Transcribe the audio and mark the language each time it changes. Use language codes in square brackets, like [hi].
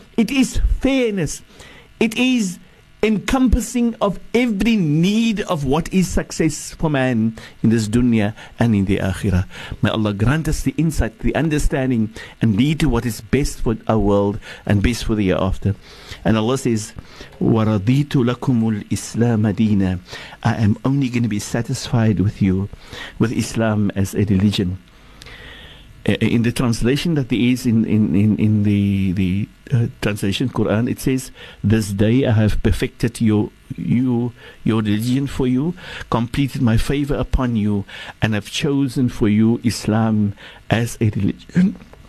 [en] It is fairness. It is encompassing of every need of what is success for man in this dunya and in the akhirah. May Allah grant us the insight, the understanding, and lead to what is best for our world and best for the year after. And Allah says, [ar] وَرَضِيتُ لَكُمُ الْإِسْلَامَ دِينًا. [en] I am only going to be satisfied with you, with Islam as a religion. In the translation that there is in the translation Quran, it says, this day I have perfected your religion for you, completed my favor upon you, and have chosen for you Islam as a religion.